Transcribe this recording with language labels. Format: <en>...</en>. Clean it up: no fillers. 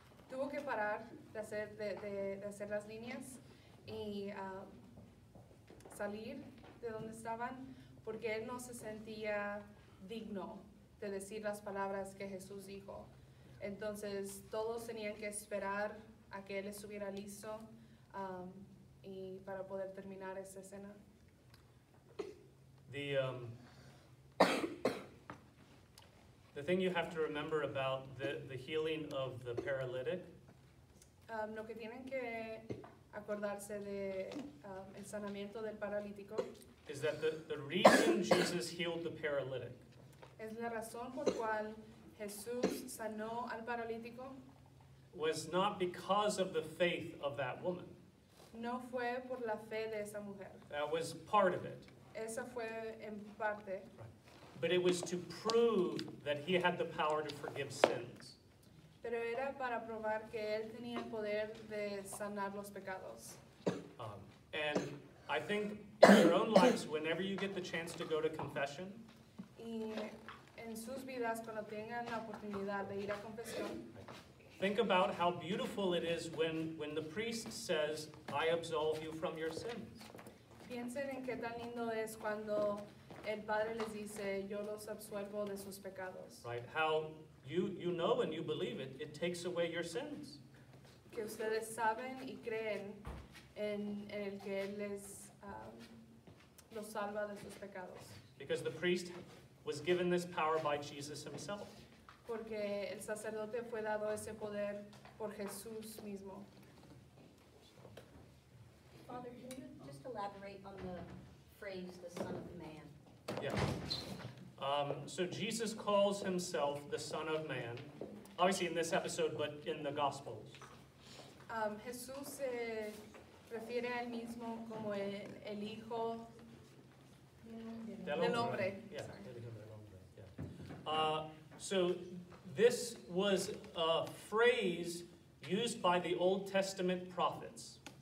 <es>tuvo que parar de hacer las líneas y salir de donde estaban, porque él no se sentía digno de decir las palabras que Jesús dijo. Entonces todos tenían que esperar a que él estuviera listo y para poder terminar esa escena.</es> <en>The thing you have to remember about the healing of the paralytic.</en> <es>Lo que tienen que acordarse de el sanamiento del paralítico.</es> <en>Is that the reason Jesus healed the paralytic?</en> <es>Es la razón por cual Jesús sanó al paralítico.</es> <en>Was not because of the faith of that woman.</en> <es>No fue por la fe de esa mujer.</es> <en>That was part of it.</en> <es>Esa fue en parte.</es> <en>Right. But it was to prove that he had the power to forgive sins.</en> <es>Pero era para probar que él tenía el poder de sanar los pecados.</es> <en>And I think in your own lives, whenever you get the chance to go to confession,</en> <es>en sus vidas, cuando tengan la oportunidad de ir a confesión.</es> <en>Think about how beautiful it is when the priest says, I absolve you from your sins.</en> <es>Piensen en qué tan lindo es cuando el padre les dice, yo los absuelvo de sus pecados.</es> <en>Right, how you know and you believe it, it takes away your sins.</en> <es>Que ustedes saben y creen en el que él les los salva de sus pecados.</es> <en>Because the priest was given this power by Jesus himself.</en> <es>Porque el sacerdote fue dado ese poder por Jesús mismo.</es> <en>Father, can you just elaborate on the phrase, the Son of Man? Yeah. So Jesus calls himself the Son of Man, obviously in this episode, but in the Gospels.</en> <es>Jesús se refiere a él mismo como el Hijo del Hombre.</es> <en>Yeah. So this was a phrase used by the Old Testament prophets.</en>